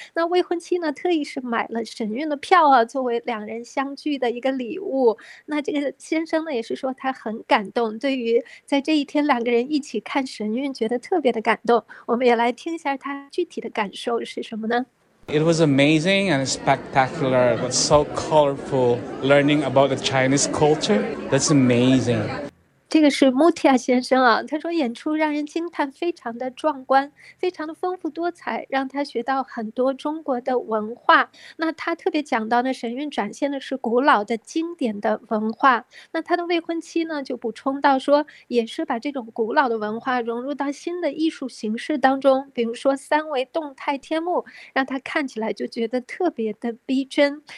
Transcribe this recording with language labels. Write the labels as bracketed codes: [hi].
[zh] 那未婚妻呢特意是买了神韵的票啊，作为两人相聚的一个礼物。那这个先生呢也是说他很感动。对于在这一天两个人一起看神韵，觉得特别的感动。我们也来听一下他具体的感受是什么呢？ [en] It was amazing and spectacular, but so colorful. Learning about the Chinese culture, that's amazing. [zh] 这个是穆提亚先生啊，他说演出让人惊叹，非常的壮观，非常的丰富多彩，让他学到很多中国的文化。那他特别讲到呢，神韵展现的是古老的经典的文化。那他的未婚妻呢就补充到说，也是把这种古老的文化融入到新的艺术形式当中，比如说三维动态天幕，让他看起来就觉得特别的逼真。